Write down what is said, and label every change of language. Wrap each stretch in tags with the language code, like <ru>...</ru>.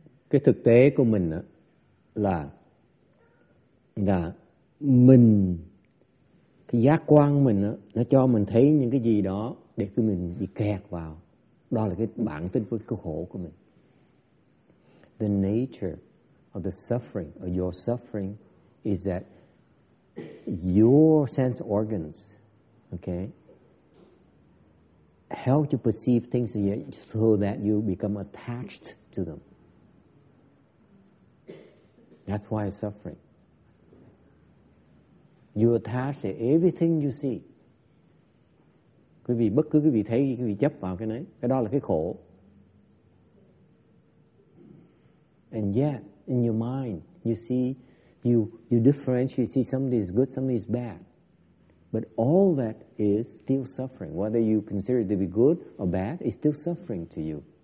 <vi>cái thực tế của mình đó, là mình cái giác quan mình đó, nó cho mình thấy những cái gì đó để cái mình bị kẹt vào, đó là cái bản tính của cái khổ của mình.</vi> <en>The nature of the suffering or your suffering is that your sense organs, okay, help you perceive things so that you become attached to them. That's why it's suffering. You attach to everything you see.</en> <vi>Quý vị, bất cứ quý vị thấy, quý vị chấp vào cái đấy, cái đó là cái khổ.</vi> <en>And yet, in your mind, you see, you differentiate, you see something is good, something is bad. But all that is still suffering. Whether you consider it to be good or bad, it's still suffering to you.</en>